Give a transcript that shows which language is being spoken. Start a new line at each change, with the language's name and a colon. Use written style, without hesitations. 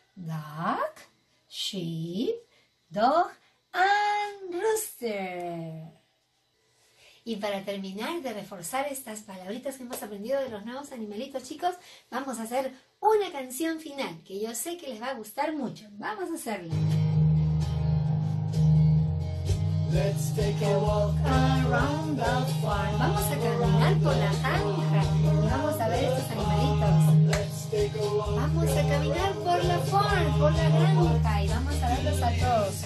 English: Duck, sheep, dog, and rooster.
Spanish: Y para terminar de reforzar estas palabritas que hemos aprendido de los nuevos animalitos, chicos, vamos a hacer una canción final que yo sé que les va a gustar mucho. Vamos a hacerla.
English: Let's take a walk around the farm.
Spanish: Vamos a caminar por la granja y vamos a ver estos animalitos. Vamos a caminar por la farm, por la granja y vamos a verlos a todos.